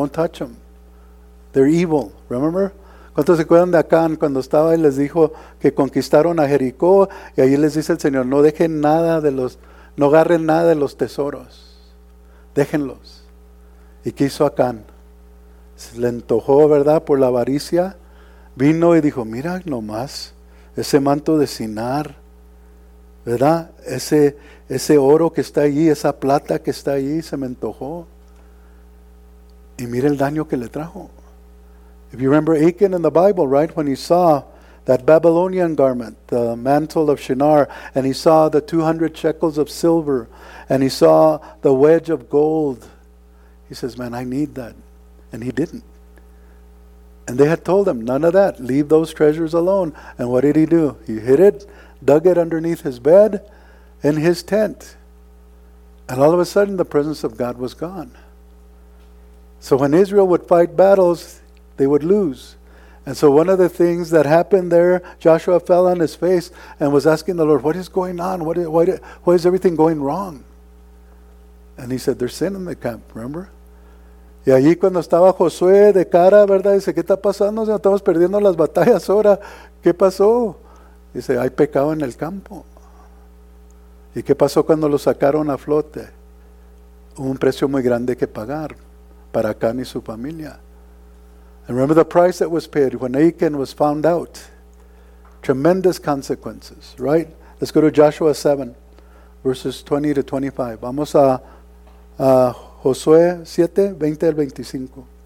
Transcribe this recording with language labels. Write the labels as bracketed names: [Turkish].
[English] Don't touch them. They're evil. Remember? [Spanish] ¿Cuántos se acuerdan de Acán cuando estaba y les dijo que conquistaron a Jericó? Y ahí les dice el Señor, no dejen nada de los, no agarren nada de los tesoros. Déjenlos. ¿Y qué hizo Acán? Se le antojó, ¿verdad? Por la avaricia. Vino y dijo, mira nomás, ese manto de Sinar, ¿verdad? Ese oro que está allí, esa plata que está allí, se me antojó. Y mira el daño que le trajo. [English] If you remember Achan in the Bible, right? When he saw that Babylonian garment, the mantle of Shinar, and he saw the 200 shekels of silver, and he saw the wedge of gold. He says, man, I need that. And he didn't. And they had told him, none of that. Leave those treasures alone. And what did he do? He hid it, dug it underneath his bed, in his tent. And all of a sudden, the presence of God was gone. So when Israel would fight battles, they would lose. And so one of the things that happened there, Joshua fell on his face and was asking the Lord, what is going on? Why is everything going wrong? And he said, there's sin in the camp, remember? [Spanish] Y allí cuando estaba Josué de cara, ¿verdad? Dice, ¿qué está pasando? Estamos perdiendo las batallas ahora. ¿Qué pasó? Dice, hay pecado en el campo. ¿Y qué pasó cuando lo sacaron a flote? Un precio muy grande que pagar para Acán y su familia. [English] And remember the price that was paid when Achan was found out. Tremendous consequences, right? Let's go to Joshua 7, verses 20 to 25. [Spanish] Vamos a Josué 7, 20 al 25.